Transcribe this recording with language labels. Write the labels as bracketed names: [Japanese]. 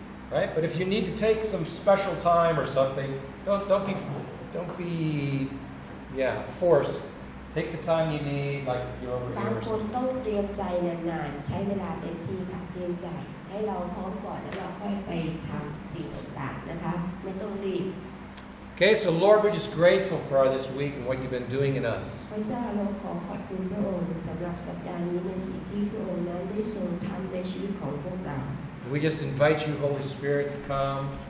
[English] Right, but if you need to take some special time or something, don't be forced. Take the time you need, like if you're over here. [Thai] บางคนต้องเตรียมใจนานๆใช้เวลาเต็มที่ค่ะเตรียมใจให้เราพร้อมก่อนแล้วเราค่อยไปทำสิ่งต่างๆนะคะไม่ต้องรีบ [English] Okay, so Lord, we're just grateful for our this week and what you've been doing in us. [Thai] พระเจ้าเราขอขอบคุณพระองค์สำหรับสัปดาห์นี้ในสิ่งที่พระองค์นั้นได้ทรงทำในชีวิตของพวกเรา [English] We just invite you, Holy Spirit, to come.